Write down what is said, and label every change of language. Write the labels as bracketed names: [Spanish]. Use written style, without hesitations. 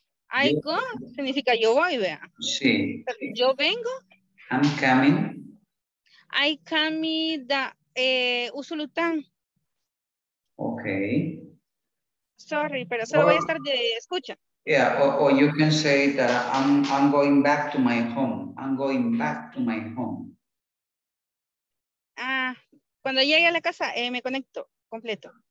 [English] I go, [Spanish] significa yo voy, vea. Sí. Yo vengo. [English] I'm coming. I come da usulután. Okay. [Spanish] Sorry, pero solo voy a estar de escucha. [English] Yeah, or you can say that I'm going back to my home. I'm going back to my home. [Spanish] Ah, cuando llegue a la casa, me conecto completo.